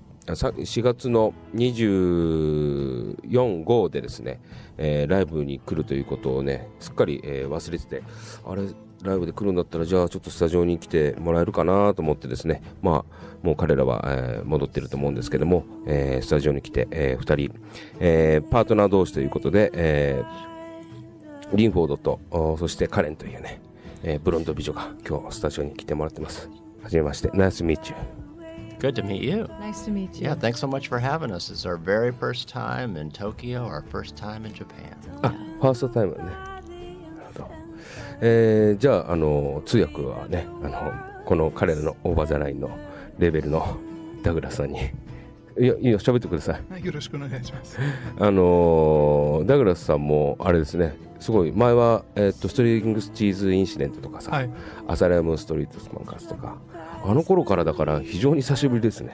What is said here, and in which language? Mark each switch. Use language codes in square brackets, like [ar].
[ja] 4月の24、5でですね、ライブに来るということをねすっかり、忘れてて、あれライブで来るんだったらじゃあちょっとスタジオに来てもらえるかなと思ってですね、まあもう彼らは、戻ってると思うんですけども、スタジオに来て、2人、パートナー同士ということで、リンフォードとそしてカレンというね、ブロンド美女が今日スタジオに来てもらってます。はじめまして、 [en] ナイスミーチュー。 Good to meet you. Nice to meet you. Yeah, thanks so much for having us. This is our very first time in Tokyo, our first time in Japan. [ja] あ、ファーストタイムね。なるほど。じゃあ、あの、通訳はね、あの、この彼らのオーバーザラインのレベルのダグラスさんにいや喋ってください、はい、よろしくお願いします。ダグラスさんもあれですね、すごい前は、ストリングスチーズインシデントとかさ、はい、アサリアムストリートスマンカスとか、あの頃からだから非常に久しぶりですね。